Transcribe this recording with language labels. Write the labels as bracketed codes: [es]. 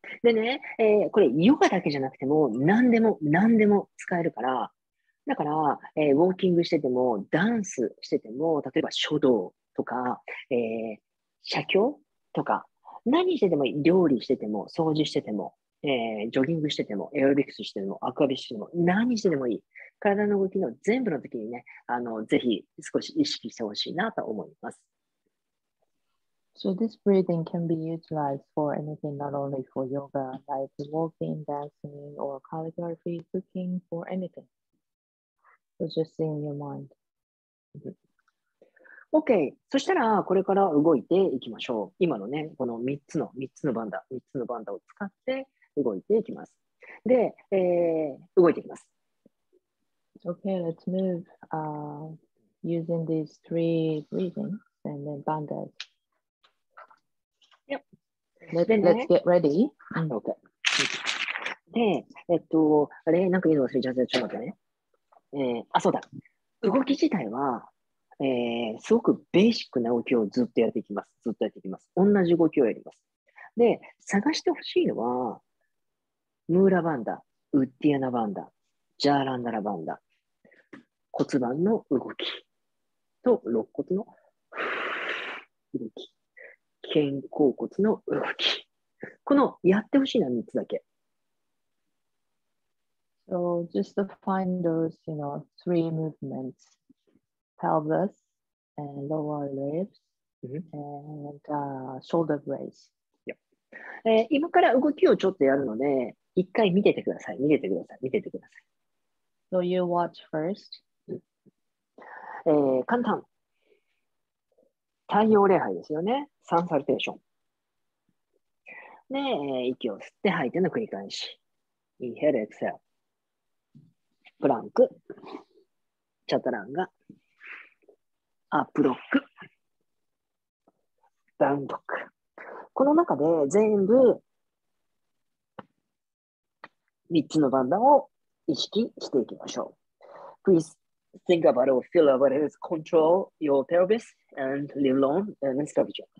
[ja] でね、これヨガだけじゃなくても何でも使えるから、だから、ウォーキングしてても、ダンスしてても、例えば書道とか、写経とか、何してても、料理してても、掃除してても、ジョギングしてても、エアロビクスしてても、アクアビスしても、何してもいい。体の動きの全部の時にね、ぜひ少し意識してほしいなと思います。 [en] So this breathing can be utilized for anything, not only for yoga, like walking, dancing, or calligraphy, cooking, or anything. So just in your mind. OK. [ja] そしたら、これから動いていきましょう。今のね、この3つのバンダを使って、動いていきます。で、動いていきます。 [en] Okay, let's move using these three breathing and then bandas. Yep. Let's get ready. Okay. [ja] で、あれ、なんか言うの忘れちゃって、ちょっと待ってね。そうだ。動き自体は、すごくベーシックな動きをずっとやっていきます。同じ動きをやります。で、探してほしいのは、ムーラバンダ、ウッディアナバンダ、ジャーランダラバンダ、骨盤の動きと肋骨の動き、肩甲骨の動き。このやってほしいな3つだけ。 [en] So just to find those, you know, three movements: pelvis and lower ribs and shoulder blades. Yep. [ja] 今から動きをちょっとやるので。一回見ててください。見ててください。 [en] So you watch first.、 [ja] 簡単。太陽礼拝ですよね。サンサルテーション。で、息を吸って吐いての繰り返し。 [en] Inhale, exhale. プランク。チャタランガ。アップドック。 [ja] ダウンドック。この中で全部3つのバンダを意識していきましょう。 [en] Please think about or feel about it. Control your pelvis and live long and sculpture.